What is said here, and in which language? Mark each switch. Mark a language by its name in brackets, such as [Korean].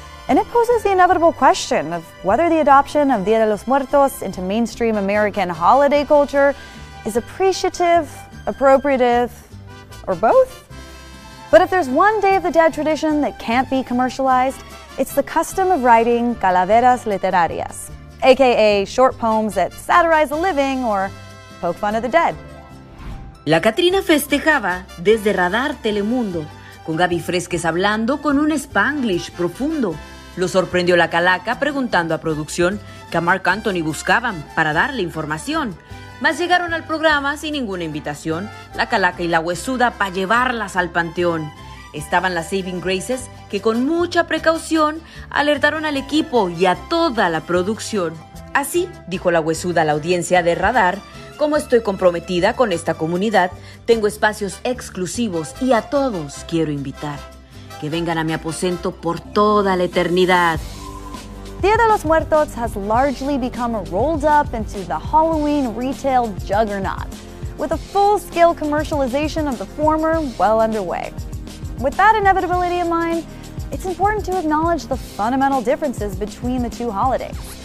[English] And it poses the inevitable question of whether the adoption of Dia de los Muertos into mainstream American holiday culture is appreciative, appropriative, or both. But if there's one Day of the Dead tradition that can't be commercialized, it's the custom of writing calaveras literarias, aka short poems that satirize the living or poke fun at the dead. [Spanish] La Catrina festejaba desde Radar Telemundo, con Gaby Fresques hablando con un Spanglish profundo. Lo sorprendió la calaca preguntando a producción que a Marc Anthony buscaban para darle información. Mas llegaron al programa sin ninguna invitación, la calaca y la huesuda pa' llevarlas al panteón. Estaban las Saving Graces que con mucha precaución alertaron al equipo y a toda la producción. Así, dijo la huesuda a la audiencia de Radar, como estoy comprometida con esta comunidad, tengo espacios exclusivos y a todos quiero invitar. Que vengan a mi aposento por toda la eternidad. [English] Dia de los Muertos has largely become rolled up into the Halloween retail juggernaut, with a full-scale commercialization of the former well underway. With that inevitability in mind, it's important to acknowledge the fundamental differences between the two holidays.